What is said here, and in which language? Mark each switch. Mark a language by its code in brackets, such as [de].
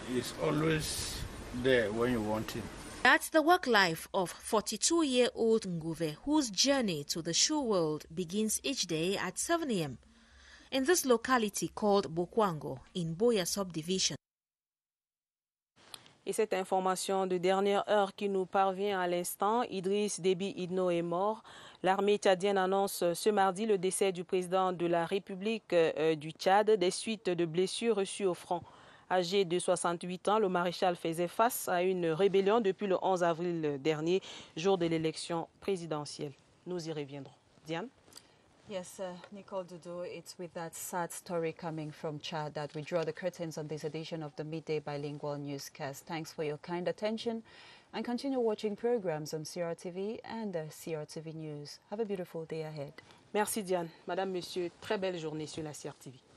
[en] He's always there when you want him. That's the work life of 42-year-old Nguve, whose journey to the shoe world begins each day at 7 a.m. in this locality called Bokwango in Boya subdivision. [fr] Et cette information de dernière heure qui nous parvient à l'instant, Idriss Déby Itno est mort. L'armée tchadienne annonce ce mardi le décès du président de la République du Tchad des suites de blessures reçues au front. Âgé de 68 ans, le maréchal faisait face à une rébellion depuis le 11 avril dernier, jour de l'élection présidentielle. Nous y reviendrons. Diane? [en] Yes, Nicole Dudu, it's with that sad story coming from Chad that we draw the curtains on this edition of the Midday Bilingual Newscast. Thanks for your kind attention and continue watching programs on CRTV and CRTV News. Have a beautiful day ahead. [fr] Merci, Diane. Madame, Monsieur, très belle journée sur la CRTV.